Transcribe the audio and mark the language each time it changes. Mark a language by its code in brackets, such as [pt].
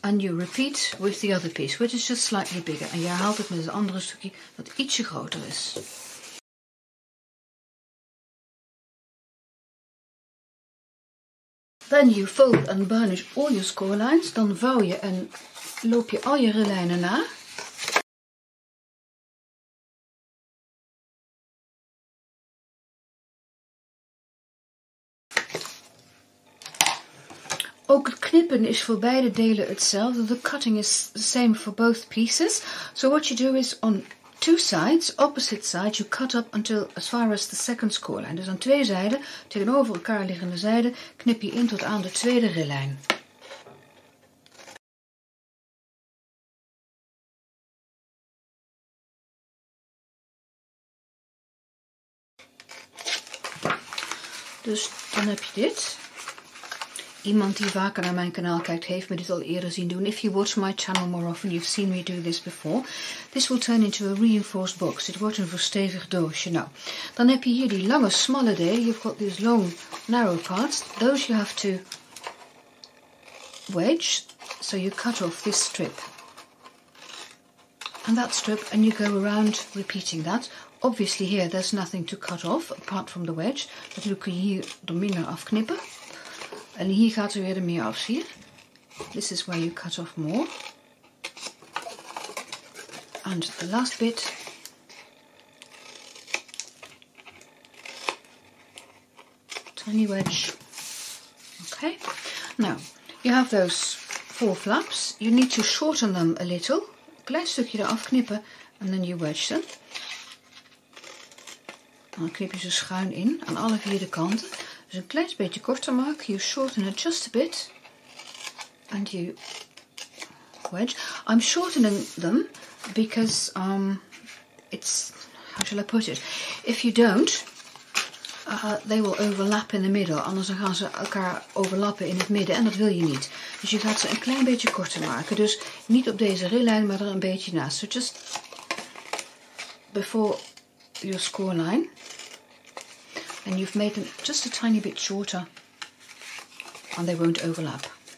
[en] And you repeat with the other piece, which is just slightly bigger. [nl] En jij haalt het met het andere stukje dat ietsje groter is. [en] Then you fold and burnish all your score lines. [nl] Dan vouw je en loop je al je rillijnen na. Ook het knippen is voor beide delen hetzelfde. [en] The cutting is the same for both pieces. So what you do is on two sides, opposite sides, you cut up until as far as the second score line. [nl] Dus aan twee zijden, tegenover elkaar liggende zijden, knip je in tot aan de tweede rillijn. Dus dan heb je dit. Iemand die vaker naar mijn kanaal kijkt, heeft me dit al eerder zien doen. [en] If you watch my channel more often, you've seen me do this before. This will turn into a reinforced box. [nl] Het wordt een verstevigd doosje. Nou, dan heb je hier die lange, smalle delen. [en] You've got these long, narrow parts. Those you have to wedge. So you cut off this strip. And that strip, and you go around repeating that. Obviously here there's nothing to cut off, apart from the wedge. [nl] Natuurlijk kun je hier de minder afknippen. En hier gaat er weer de meer af, zie je? [en] This is where you cut off more. And the last bit. Tiny wedge. Okay. Now, you have those four flaps. You need to shorten them a little. [nl] Klein stukje eraf knippen. [en] And then you wedge them. [nl] Dan knip je ze schuin in aan alle vier de kanten. Dus een klein beetje korter maken. [en] You shorten it just a bit. And you wedge. I'm shortening them because it's, how shall I put it? If you don't, they will overlap in the middle. [nl] Anders gaan ze elkaar overlappen in het midden en dat wil je niet. Dus je gaat ze een klein beetje korter maken. Dus niet op deze rillijn, maar er een beetje naast. [en] So just before your score line. And you've made them just a tiny bit shorter and they won't overlap.